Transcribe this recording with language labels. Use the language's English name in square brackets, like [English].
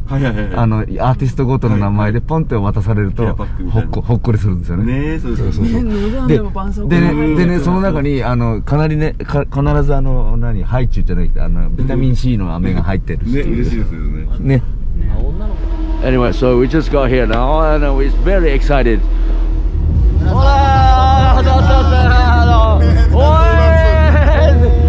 [Japanese] はいはいはい、あのアーティストごとの名前でポンって渡されると、はいはい、ほっこりするんですよね。ねえ、そうそうそう。ね、で、でね、その中にあのかなりね、必ずあの何ハイチューじゃないけど、あのビタミン C の飴が入ってるし、うん、ね、嬉しいですよね。ね。ね、 [English] Anyway, so we just got here now and we're very excited. [Japanese] おら、どうぞ、どうぞ、おい。